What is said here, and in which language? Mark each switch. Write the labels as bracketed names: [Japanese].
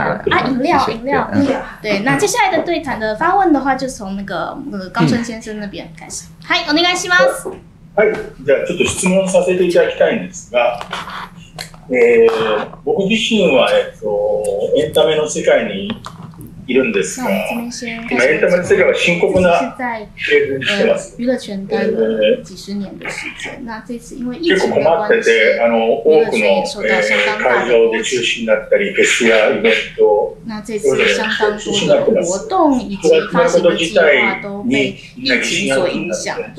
[Chinese] 啊，饮料，对，那接下来的对谈的发问的话，就从高春先生那边开始。 [Japanese] 嗨，お願いします。はい、じゃあちょっと質問させていただきたいんですが、僕自身はエンタメの世界にいるんですが、今エンタメの世界は深刻な経験してます。 [Chinese] 娱乐圈待了几十年的时间，那这次因为疫情的关系， [Japanese] 結構困ってて多くの会場で中止になったり、フェスやイベント、 [Chinese] 那这次相当多的活动以及发行的计划都被疫情所影响。